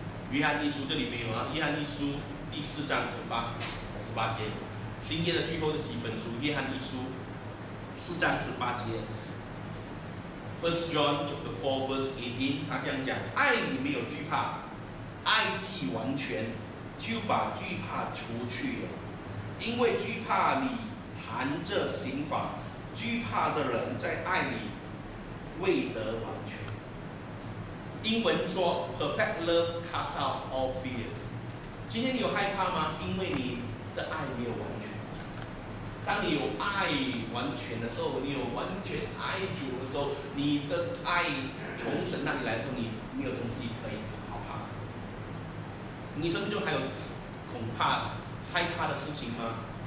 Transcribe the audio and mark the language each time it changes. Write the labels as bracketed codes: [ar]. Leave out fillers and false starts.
[zh] 约翰一书这里没有啊，约翰一书第四章十八节，新约的最后的几本书，约翰一书四章十八节 ， [en] First John chapter four verse 18， [zh] 他这样讲：爱里没有惧怕，爱既完全，就把惧怕除去了，因为惧怕里含着刑罚，惧怕的人在爱里未得完全。英文说 [en] ：Perfect love casts out all fear。 [zh] 今天你有害怕吗？因为你的爱没有完全。当你有爱完全的时候，你有完全爱主的时候，你的爱从神那里来的时候，你没有东西可以好怕。你生命中还有恐怕、害怕的事情吗？